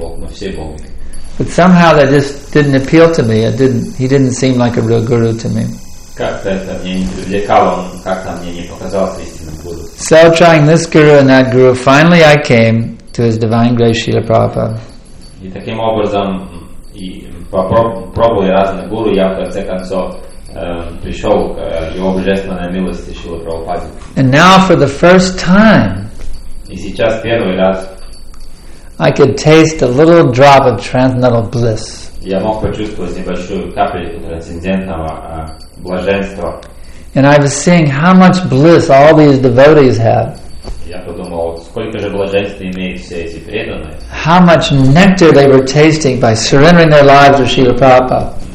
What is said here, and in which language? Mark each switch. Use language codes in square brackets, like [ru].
[en] But somehow that just didn't appeal to me. He didn't seem like a real guru to me. So trying this guru and that guru, finally I came to His Divine Grace Srila Prabhupada. [ru] И таким образом и пробуя разные гуру, я в конце концов пришел к его божественной милости Шрилы Прабхупаде. [en] And now for the first time, [ru] и сейчас первый раз, [en] I could taste a little drop of transcendental bliss. [ru] Я мог почувствовать небольшую капельку трансцендентного блаженства. [en] And I was seeing how much bliss all these devotees have. [ru] Я подумал, сколько же блаженства имеют все эти преданные. [en] How much nectar they were tasting by surrendering their lives to Srila